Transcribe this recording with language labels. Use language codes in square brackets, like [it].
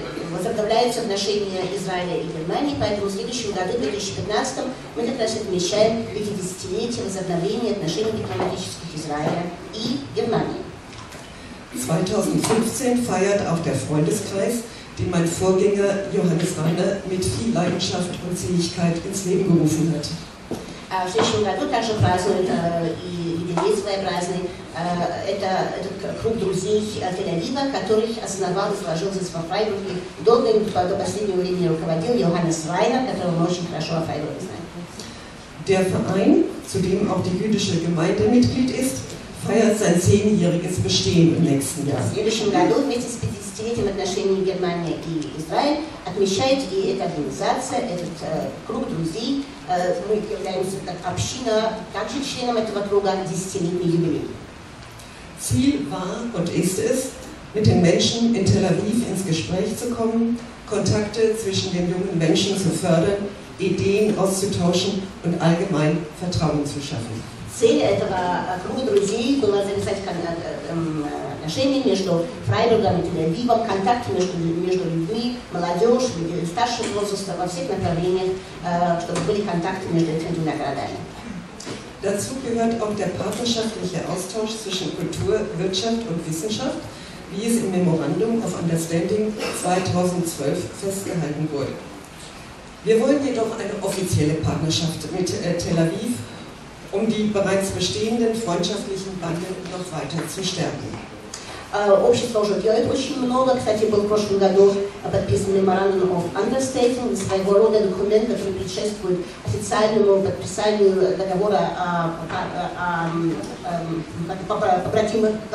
[ru] Возобновляются отношения Израиля и Германии, поэтому в следующем году, в 2015, мы как раз отмечаем 50-летие возобновления отношений дипломатических Израиля и Германии. [de] 2015 feiert auch der Freundeskreis, den mein Vorgänger Johannes Rainer mit viel Leidenschaft und Zähigkeit ins Leben gerufen hat. [ru] В следующем году также празднуют и юбилей своеобразный. Это круг друзей Тель-Авива, которых основал и сложил здесь во Фрайбурге. Долго им до последнего времени руководил Йоханнес Райнер, которого мы очень хорошо во Фрайбурге знаем. [de] Der Verein, zu dem auch die jüdische Gemeinde Mitglied ist, feiert sein 10-jähriges Bestehen im nächsten Jahr. [ru] В следующем году вместе с 50-летием отношений Германии и Израиль отмечает и эта организация, этот круг друзей. Мы являемся как община, также членом этого круга 10-летний юбилей. [de] Ziel war und ist es, mit den Menschen in Tel Aviv ins Gespräch zu kommen, Kontakte zwischen den jungen Menschen zu fördern, Ideen auszutauschen und allgemein Vertrauen zu schaffen. [ru] Ziel этого круга друзей было завязать отношения между Фрайбургом и Тель-Авивом, контакты между людьми, молодежь, людьми старшего возраста во всех направлениях, чтобы были контакты между этими двумя городами. [de] Dazu gehört auch der partnerschaftliche Austausch zwischen Kultur, Wirtschaft und Wissenschaft, wie es im Memorandum of Understanding 2012 festgehalten wurde. Wir wollen jedoch eine offizielle Partnerschaft mit Tel Aviv, um die bereits bestehenden freundschaftlichen Bande noch weiter zu stärken. [ru] Общество уже делает очень много. Кстати, был в прошлом году подписан меморандум of understanding, своего рода документ, который предшествует официальному подписанию договора о побратимы.